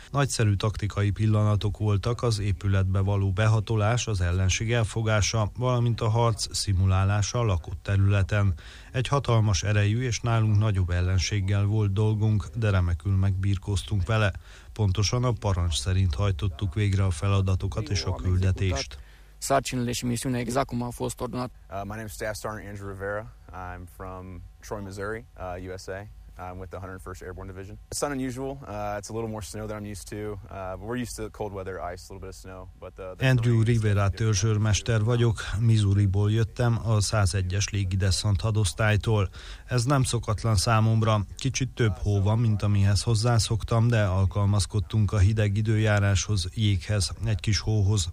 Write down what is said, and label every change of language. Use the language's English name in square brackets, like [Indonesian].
[Hungarian] Nagyszerű taktikai pillanatok voltak az épületbe való behatolás, az ellenség elfogása, valamint a harc szimulálása a lakott területen. Egy hatalmas erejű és nálunk nagyobb ellenséggel volt dolgunk, de remekül megbirkóztunk vele. Pontosan a parancs szerint hajtottuk végre a feladatokat és a küldetést. [English] My name is Staff Sergeant Andrew Rivera. I'm from Troy, Missouri, USA. I'm with the 101st Airborne Division. It's not unusual. It's a little more snow than I'm used to. But we're used to cold weather, ice, a little bit of snow. But the [Hungarian] Andrew Rivera törzsőrmester vagyok. Missouriból jöttem, a 101-es légideszant hadosztálytól. Ez nem szokatlan számomra. Kicsit több hó van, mint amihez hozzászoktam, de alkalmazkodtunk a hideg időjáráshoz, jéghez, egy kis hóhoz.